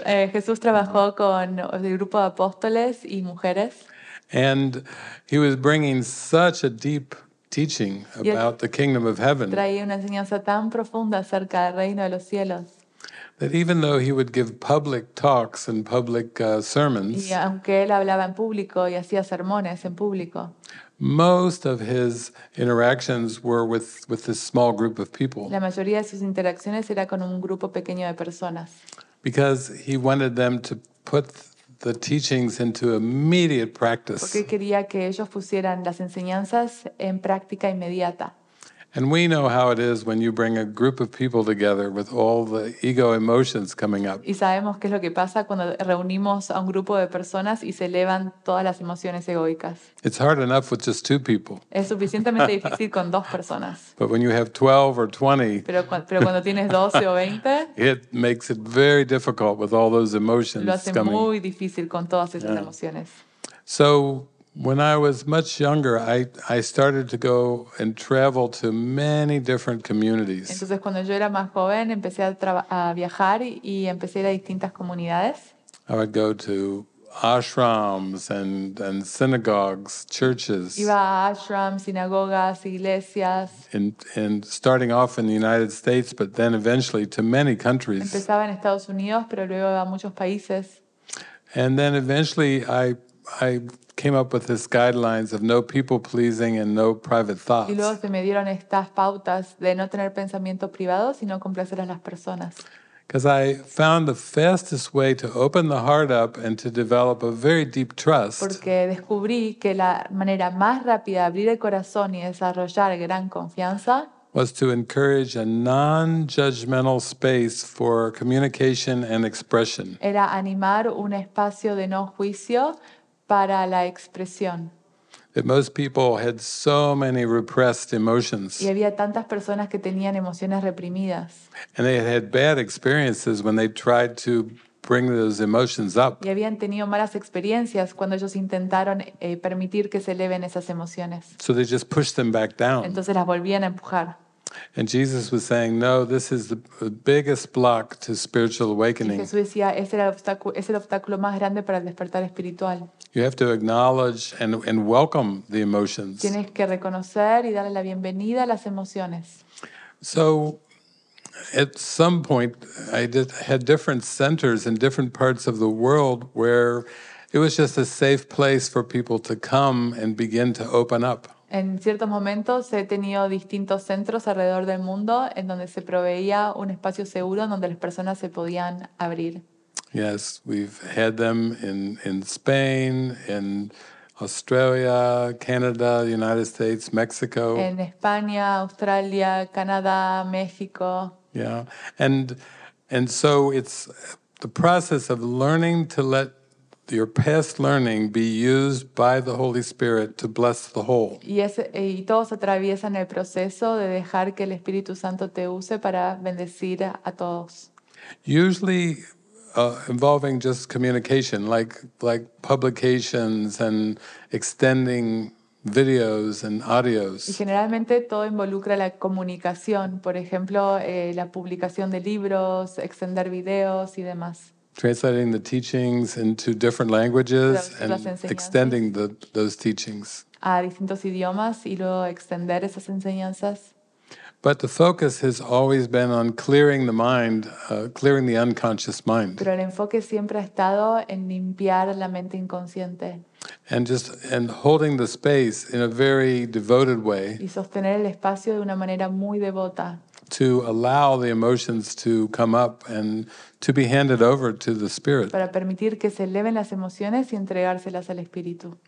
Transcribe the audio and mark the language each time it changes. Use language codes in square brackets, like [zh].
[es] Jesús trabajó con el grupo de apóstoles y mujeres. [en] And he was bringing such a deep teaching about the kingdom of heaven. [es] Traía una enseñanza tan profunda acerca del reino de los cielos. [en] That even though he would give public talks and public sermons. [es] Y aunque él hablaba en público y hacía sermones en público. [en] Most of his interactions were with this small group of people. [es] La mayoría de sus interacciones era con un grupo pequeño de personas. [en] Because he wanted them to put the teachings into immediate practice. [es] Porque quería que ellos pusieran las enseñanzas en práctica inmediata. [en] And we know how it is when you bring a group of people together with all the ego emotions coming up. [es] Y sabemos qué es lo que pasa cuando reunimos a un grupo de personas y se elevan todas las emociones egoicas. [en] It's hard enough with just 2 people. [es] Es suficientemente difícil con 2 personas. [en] But when you have 12 or 20, [es] pero cuando tienes 12 o 20, [en] it makes it very difficult with all those emotions coming. [es] Lo hace muy difícil con todas esas emociones. [en] So when I was much younger, I started to go and travel to many different communities. [es] Entonces cuando yo era más joven empecé a viajar y empecé a distintas comunidades. [en] I would go to ashrams and synagogues, churches. [es] Iba a ashrams, sinagogas, iglesias. [en] And starting off in the United States, but then eventually to many countries. [es] Empezaba en Estados Unidos, pero luego iba a muchos países. [en] And then eventually I came up with these guidelines of no people pleasing and no private thoughts. [es] Y luego se me dieron estas pautas de no tener pensamiento privado, sino complacer a las personas. [en] Because I found the fastest way to open the heart up and to develop a very deep trust. [es] Porque descubrí que la manera más rápida de abrir el corazón y desarrollar gran confianza [en] was to encourage a non-judgmental space for communication and expression. [es] Era animar un espacio de no juicio para la expresión. [en] That most people had so many repressed emotions. [es] Y había tantas personas que tenían emociones reprimidas. [en] And they had bad experiences when they tried to bring those emotions up. [es] Y habían tenido malas experiencias cuando ellos intentaron permitir que se eleven esas emociones. [en] So they just pushed them back down. [es] Entonces las volvían a empujar. [en] And Jesus was saying, "No, this is the biggest block to spiritual awakening." [es] Y Jesús decía, es el obstáculo más grande para el despertar espiritual. [en] You have to acknowledge and welcome the emotions. [es] Tienes que reconocer y darle la bienvenida a las emociones. [en] So, at some point, I just had different centers in different parts of the world where it was just a safe place for people to come and begin to open up. [es] En ciertos momentos he tenido distintos centros alrededor del mundo en donde se proveía un espacio seguro donde las personas se podían abrir. [en] Yes, we've had them in Spain, in Australia, Canada, the United States, Mexico. [es] En España, Australia, Canadá, México. [en] Yeah, and so it's the process of learning to let your past learning be used by the Holy Spirit to bless the whole. [es] Y todos atraviesan el proceso de dejar que el Espíritu Santo te use para bendecir a todos. [en] Usually involving just communication, like publications and extending videos and audios. [es] Y generalmente todo involucra la comunicación, por ejemplo, la publicación de libros, extender videos y demás. [en] Translating the teachings into different languages and extending those teachings. [es] A distintos idiomas y luego extender esas enseñanzas. [en] But the focus has always been on clearing the mind, clearing the unconscious mind. [es] Pero el enfoque siempre ha estado en limpiar la mente inconsciente. [en] And holding the space in a very devoted way. [es] Y sostener el espacio de una manera muy devota. [en] To allow the emotions to come up and to be handed over to the Spirit. [es] Para permitir que se eleven las emociones y entregárselas al Espíritu.